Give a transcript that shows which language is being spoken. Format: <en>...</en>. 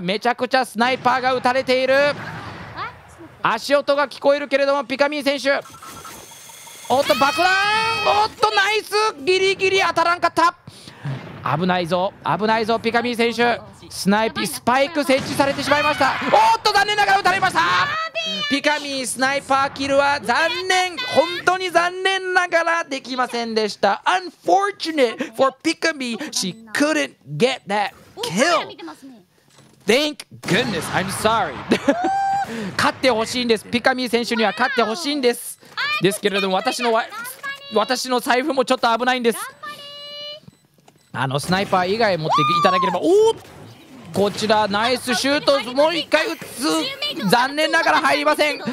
<ja>めちゃくちゃスナイパーが撃たれている。足音が聞こえるけれども、ピカミー選手、おっと爆弾、おっとナイス、ギリギリ当たらんかった。危ないぞ危ないぞピカミー選手、スナイピスパイク設置されてしまいました。おっと残念ながら撃たれました。ピカミースナイパーキルは残念、本当に残念ながらできませんでした。</ja> <en>Unfortunate for Pikamee, she couldn't get that kill. Thank goodness, I'm sorry.</en> <ja>勝ってほしいんです、ピカミー選手には勝ってほしいんです。ですけれども、私の財布もちょっと危ないんです。あのスナイパー以外持っていただければ。おっ、こちらナイスシュート、もう一回打つ、残念ながら入りません。</ja>